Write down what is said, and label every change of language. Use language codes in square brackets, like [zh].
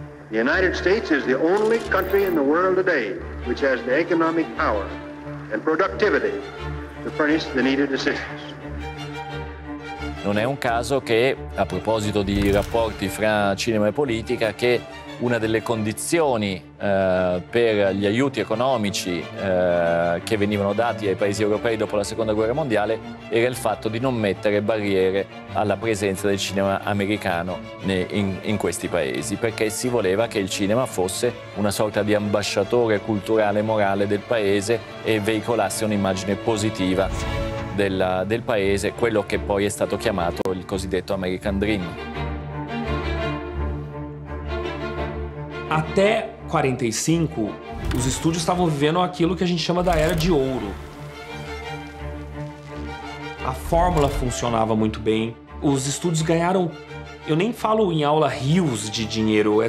[en] The United States is the only country in the world today which has the economic power and productivity to furnish the needed assistance. [it] Non è un caso che, a proposito di rapporti fra cinema e politica, che una delle condizioni per gli aiuti economici che venivano dati ai paesi europei dopo la Seconda Guerra Mondiale era il fatto di non mettere barriere alla presenza del cinema americano in questi paesi, perché si voleva che il cinema fosse una sorta di ambasciatore culturale e morale del paese e veicolasse un'immagine positiva del paese, quello che poi è stato chiamato il cosiddetto American Dream. [pt] Até 45, os estúdios estavam vivendo aquilo que a gente chama da era de ouro. A fórmula funcionava muito bem. Os estúdios ganharam, eu nem falo em aula, rios de dinheiro.